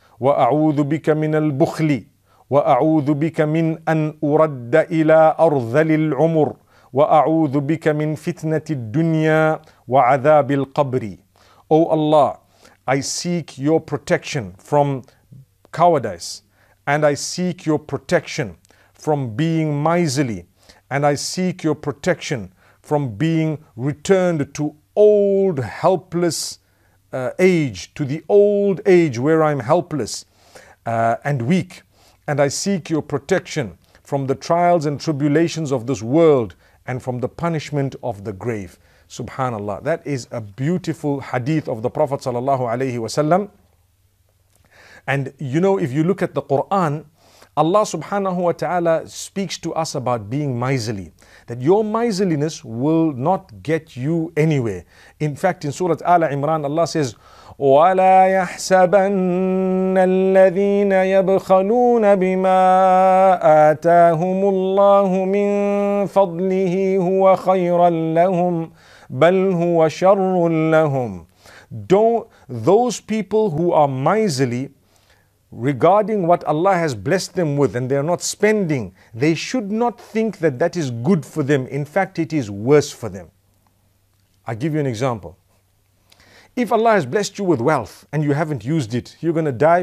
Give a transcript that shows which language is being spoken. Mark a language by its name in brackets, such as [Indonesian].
[Arabic] وأعوذ بك من البخل وأعوذ بك من أن أرد إلى أرذل العمر وأعوذ بك من فتنة الدنيا وعذاب القبر. [English] O Allah, I seek your protection from cowardice, and I seek your protection from being miserly, and I seek your protection from being returned to old helpless age, to the old age where I'm helpless and weak. And I seek your protection from the trials and tribulations of this world and from the punishment of the grave. Subhanallah. That is a beautiful hadith of the Prophet sallallahu alayhi wasallam. And you know, if you look at the Quran, Allah subhanahu wa ta'ala speaks to us about being miserly, that your miserliness will not get you anywhere. In fact, in Surah Ala Imran, Allah says, [Arabic] وَلَا يَحْسَبَنَّ الَّذِينَ يَبْخَلُونَ بِمَا آتَاهُمُ اللَّهُ مِنْ فَضْلِهِ هُوَ خَيْرًا لَهُمْ بَلْ هُوَ شَرٌ لَهُمْ. [English] Don't those people who are miserly regarding what Allah has blessed them with and they are not spending, they should not think that that is good for them. In fact, it is worse for them. I give you an example. If Allah has blessed you with wealth and you haven't used it, you're going to die.